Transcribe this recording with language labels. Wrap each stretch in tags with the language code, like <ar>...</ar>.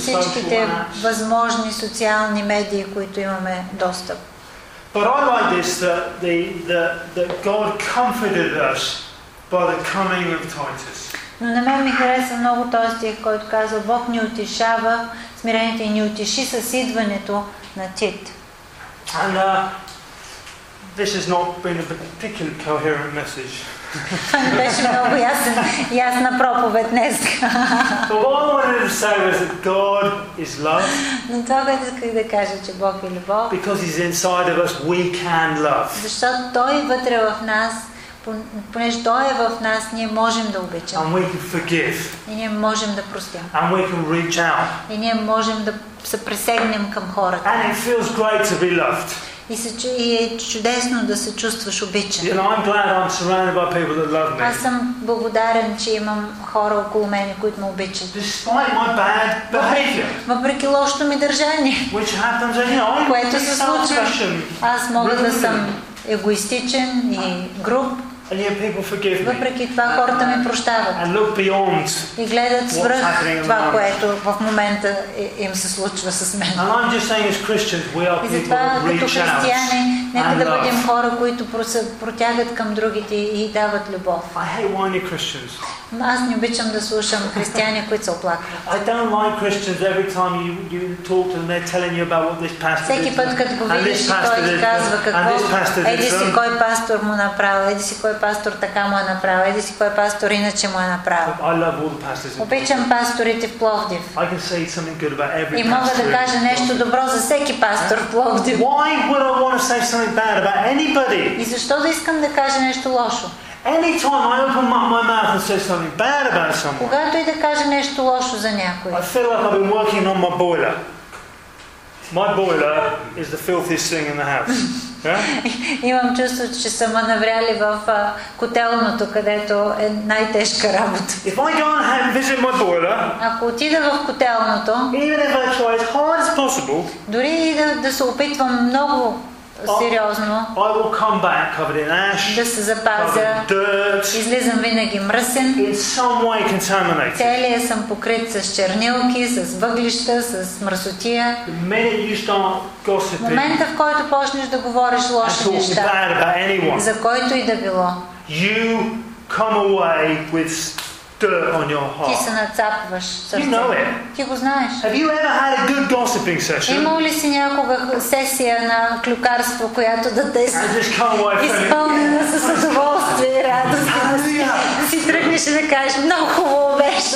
<bg>всичките възможни социални медии, които имаме достъп.</bg> <en>But I like this, that God comforted us by the coming of Titus.</en> <bg>Но на мен ми хареса много този стих, който казва, Бог ни утешава, смирените ни утеши с идването на Тит.</bg> <en>And this has not been a particularly coherent message.</en> <bg>Беше много ясна проповед днес.</bg> <en>But what I wanted to say was that God is love.</en> <bg>Но това, което исках да кажа, че Бог е любов.</bg> <en>Because He's inside of us, we can love.</en> <bg>Защото Той вътре в нас, понеже Той е в нас, ние можем да обичаме.</bg> <en>And we can forgive.</en> <bg>И ние можем да простим.</bg> <en>And we can reach out.</en> <bg>И ние можем да се пресегнем към хората.</bg> <en>And it feels great to be loved.</en> <bg>И е чудесно да се чувстваш обичан.</bg> <en>You know, I'm glad I'm surrounded by people that love me.</en> <bg>Аз съм благодарен, че имам хора около мен, които ме обичат.</bg> <en>Despite my bad behavior.</en> <bg>Въпреки лошото ми държание.</bg> <en>Which happens, you know,</en> <bg>което се случва. Аз мога да съм егоистичен и груб.</bg> <en>And yet people forgive me.</en> <bg>Въпреки това хората ме прощават.</bg> <en>And look beyond.</en> <bg>И гледат свръх това, което в момента им се случва с мен.</bg> <en>And I'm just saying, as Christians, we are people that reach out.</en> <bg>Като християни, нека да бъдем хора, които протягат към другите и дават любов.</bg> <en>I hate whiny Christians.</en> <bg>Аз не обичам да слушам християни, които се оплакват.</bg> <en>I don't like Christians every time you talk to them, they're telling you about what this pastor did.</en> <bg>Всеки път, като го видиш, той ти казва какво. Еди си кой пастор му направил, еди си кой пастор така му е направил, еди си кой пастор иначе му е направил.</bg> <en>I love all the pastors.</en> <bg>Обичам пасторите в Пловдив.</bg> <en>I can say something good about every.</en> <bg>И мога да кажа нещо добро за всеки пастор в Пловдив.</bg> <en>Why would I want to say something bad about anybody?</en> <bg>И защо да искам да кажа нещо лошо?</bg> <en>Anytime I open up my mouth and say something bad about someone.</en> <bg>Когато и да кажа нещо лошо за някой.</bg> <en>I feel like I've been working on my boiler. My boiler is the filthiest thing in the house.</en> <bg>Имам чувство, че съм навряли в котелното, където е най-тежка работа.</bg> <en>If I go and visit my boiler,</en> <bg>ако отида в котелното,</bg> <en>even if I try as hard as possible,</en> <bg>дори и да се опитвам много сериозно,</bg> <en>I will come back covered in ash,</en> <bg>да се запазя,</bg> <en>covered in dirt,</en> <bg>излизам винаги мръсен,</bg> <en>in some way contaminated.</en> <bg>Целия съм покрит с чернилки, с въглища, с мръсотия.</bg> <en>The minute you start gossiping,</en> <bg>момента в който почнеш да говориш лоши неща,</bg> <en>bad about anyone,</en> <bg>за който и да било,</bg> <en>you come away with dirt on your heart.</en> <bg>Ти се нацапваш сърце.</bg> <en>You know it.</en> <bg>Ти го знаеш.</bg> <en>Have you ever had a good gossiping session?</en> <bg>Имал ли си някога сесия на клюкарство, която да те изпълнена със удоволствие и радост? Си тръгнеш и да кажеш, много хубаво беше.</bg>